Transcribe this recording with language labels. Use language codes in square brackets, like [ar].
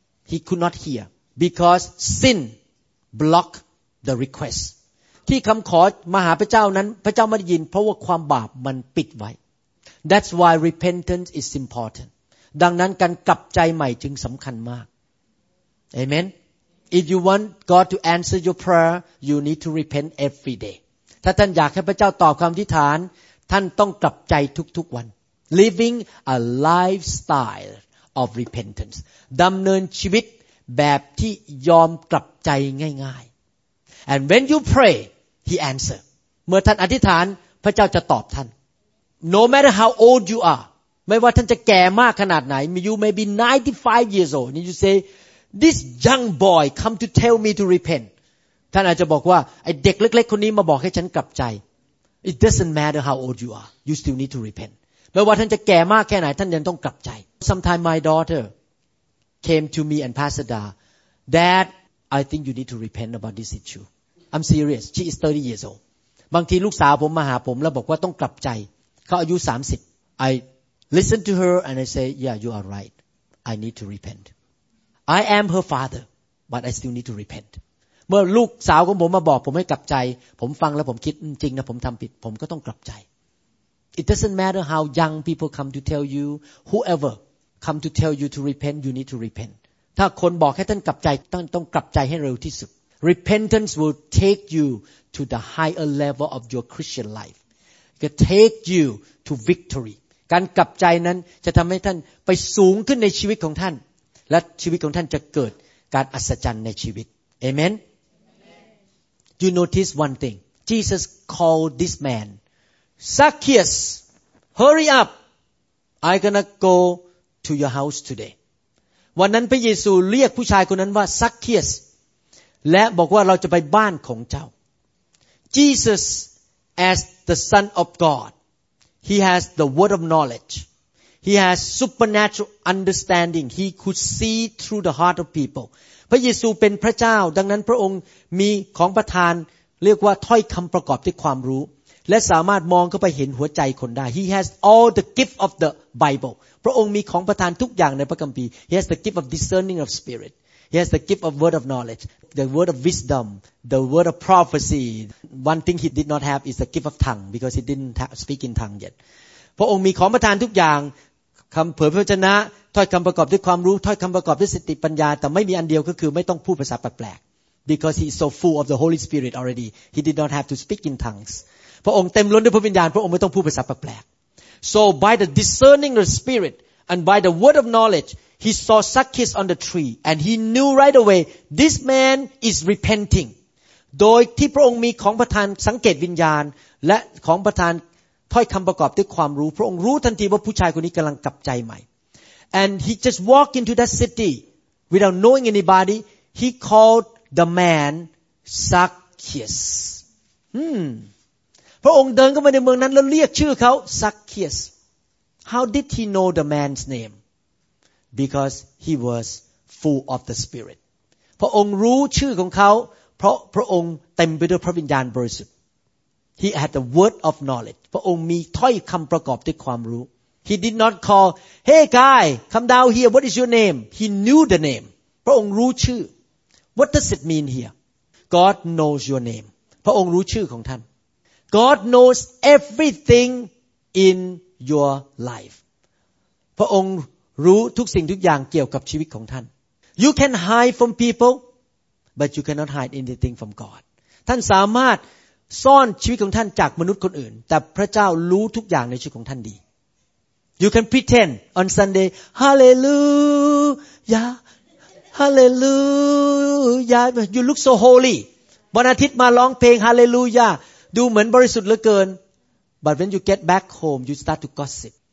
[en] He could not hear. Because sin blocked the request. [th] ที่คำขอมาหาพระเจ้านั้นพระเจ้าไม่ได้ยินเพราะว่าความบาปมันปิดไว้ [en] That's why repentance is important. [th] ดังนั้นการกลับใจใหม่จึงสำคัญมาก [en] Amen. If you want God to answer your prayer, you need to repent every day. [th] ถ้าท่านอยากให้พระเจ้าตอบคำอธิษฐานท่านต้องกลับใจทุกๆวัน [en] living a lifestyle of repentance [th] ดำเนินชีวิตแบบที่ยอมกลับใจง่าย [en] ๆ and when you pray he answer [th] เมื่อท่านอธิษฐานพระเจ้าจะตอบท่าน [en] no matter how old you are [th] ไม่ว่าท่านจะแก่มากขนาดไหน [en] you may be 95 years old and you say this young boy come to tell me to repent [th] ท่านอาจจะบอกว่าไอ้เด็กเล็กๆคนนี้มาบอกให้ฉันกลับใจ [en] It doesn't matter how old you are you still need to repent [th] ไม่ว่าท่านจะแก่มากแค่ไหนท่านยังต้องกลับใจ [en] Sometime my daughter came to me and Pastor Da Dad I think you need to repent about this issue I'm serious she is 30 years old [th] บางทีลูกสาวผมมาหาผมแล้วบอกว่าต้องกลับใจเขาอายุ30 [en] I listen to her and I say yeah you are right I need to repent I am her father but I still need to repent [th] เมื่อลูกสาวของผมมาบอกผมให้กลับใจผมฟังแล้วผมคิดจริงนะผมทำผิดผมก็ต้องกลับใจ [en] It doesn't matter how young people come to tell you whoever come to tell you to repent you need to repent [th] ถ้าคนบอกให้ท่านกลับใจต้องกลับใจให้เร็วที่สุด [en] Repentance will take you to the higher level of your Christian life to take you to victory [th] การกลับใจนั้นจะทำให้ท่านไปสูงขึ้นในชีวิตของท่านและชีวิตของท่านจะเกิดการอัศจรรย์ในชีวิตAmen. [en] You notice one thing. Jesus called this man, Zacchaeus, hurry up. I'm gonna go to your house today. [th] วันนั้นพระเยซูเรียกผู้ชายคนนั้นว่า Zacchaeus และบอกว่าเราจะไปบ้านของเจ้า [en] Jesus, as the Son of God, he has the word of knowledge. He has supernatural understanding. He could see through the heart of people. [th] พระเยซูเป็นพระเจ้าดังนั้นพระองค์มีของประทานเรียกว่าถ้อยคำประกอบด้วยความรู้และสามารถมองเข้าไปเห็นหัวใจคนได้ [en] He has all the gift of the Bible [th] พระองค์มีของประทานทุกอย่างในพระคัมภีร์ [en] He has the gift of discerning of spirit He has the gift of word of knowledge the word of wisdom the word of prophecy one thing he did not have is the gift of tongue because he didn't speak in tongue yet [th] พระองค์มีของประทานทุกอย่างคำเผยพระวจนะถ้อยคำประกอบด้วยความรู้ถ้อยคำประกอบด้วยสติปัญญาแต่ไม่มีอันเดียวก็คือไม่ต้องพูดภาษาแปลก [en] because he is so full of the Holy Spirit already he did not have to speak in tongues [th] พระองค์เต็มล้นด้วยพระวิญญาณพระองค์ไม่ต้องพูดภาษาแปลก [en] so by the discerning the spirit and by the word of knowledge he saw Zacchaeus on the tree and he knew right away this man is repenting [th] โดยที่พระองค์มีของประทานสังเกตวิญญาณและของประทานถ้อยคำประกอบด้วยความรู้พระองค์รู้ทันทีว่าผู้ชายคนนี้กำลังกลับใจใหม่ [en] And he just walked into that city without knowing anybody. He called the man Zacchaeus. [th] พระองค์เดินเข้ามาในเมืองนั้นแล้วเรียกชื่อเขา Zacchaeus. [en] How did he know the man's name? Because he was full of the Spirit. [th] พระองค์รู้ชื่อของเขาเพราะพระองค์เต็มไปด้วยพระวิญญาณบริสุทธิ์ [en] He had the word of knowledge. [th] พระองค์มีถ้อยคำประกอบด้วยความรู้ [en] He did not call, "Hey guy, come down here. What is your name?" He knew the name. [th] พระองค์รู้ชื่อ [en] What does it mean here? God knows your name. [th] พระองค์รู้ชื่อของท่าน [en] God knows everything in your life. [th] พระองค์รู้ทุกสิ่งทุกอย่างเกี่ยวกับชีวิตของท่าน [en] You can hide from people, but you cannot hide anything from God. [th] ท่านสามารถซ่อนชีวิตของท่านจากมนุษย์คนอื่นแต่พระเจ้ารู้ทุกอย่างในชีวิตของท่านดี [en] You can pretend on Sunday, Hallelujah, Hallelujah. You look so holy. [th] วันอาทิตย์มาร้องเพลง Hallelujah. ดูเหมือนบริสุทธิ์เหลือเกิน [en] But when you get back home, you start to gossip.